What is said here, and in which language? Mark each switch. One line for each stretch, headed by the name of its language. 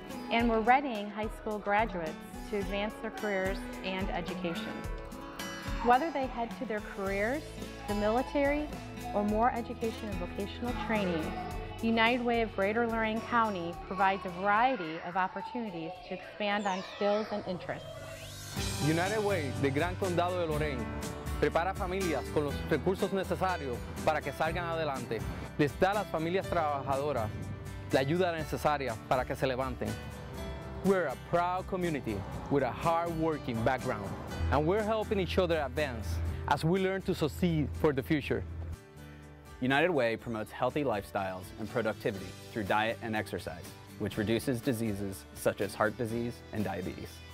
English: And we're readying high school graduates to advance their careers and education. Whether they head to their careers, the military, or more education and vocational training, United Way of Greater Lorain County provides a variety of opportunities to expand on skills and interests.
Spanish: United Way de Gran Condado de Lorain prepara familias con los recursos necesarios para que salgan adelante. Les da a las familias trabajadoras la ayuda necesaria para que se levanten.
English: We're a proud community with a hard-working background, and we're helping each other advance as we learn to succeed for the future. United Way promotes healthy lifestyles and productivity through diet and exercise, which reduces diseases such as heart disease and diabetes.